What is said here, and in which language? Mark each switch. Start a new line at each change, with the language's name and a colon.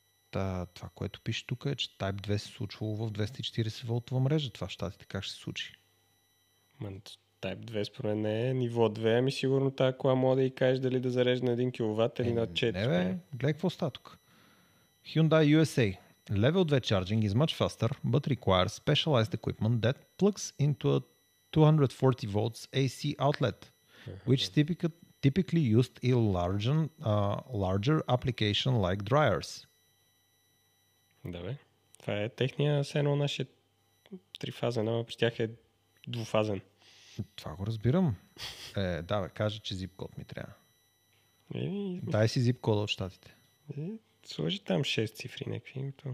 Bulgarian: Та, това, което пише тук е, че Type 2 се случва в 240 волтова мрежа. Това в щатите как ще се случи? Type 2 според мен не е ниво 2, ами сигурно тази кола може да и кажеш дали да зарежда на 1 кВт или на 4. Не бе, гледай какво става тук. Hyundai USA.
English: Level 2 charging is much faster, but requires specialized equipment that plugs into a 240 volts AC outlet, which is typically used in larger application like dryers.
Bulgarian: Да бе, това е техния сено наше трифазен, ама при тях е двуфазен. Това го разбирам. Е, да бе, кажа, че zip code ми трябва. Дай си zip code от щатите. Сложи там 6 цифри някакви.